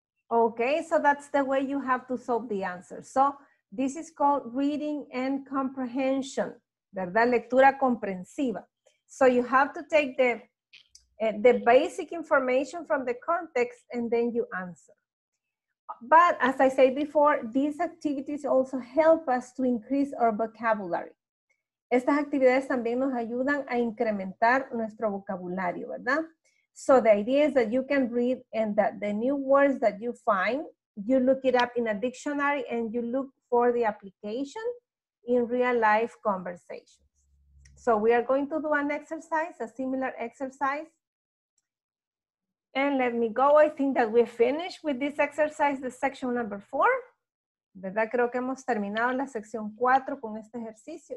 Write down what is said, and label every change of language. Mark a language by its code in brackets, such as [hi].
[en] Okay, so that's the way you have to solve the answer. So this is called reading and comprehension, [es] ¿verdad? Lectura comprensiva. [en] So you have to take the basic information from the context and then you answer. But as I said before, these activities also help us to increase our vocabulary. [es] Estas actividades también nos ayudan a incrementar nuestro vocabulario, ¿verdad? [en] So the idea is that you can read and that the new words that you find, you look it up in a dictionary and you look for the application in real life conversations. So we are going to do an exercise, a similar exercise. And let me go. I think that we finished with this exercise, the section number 4. [es] ¿Verdad? Creo que hemos terminado la sección 4 con este ejercicio.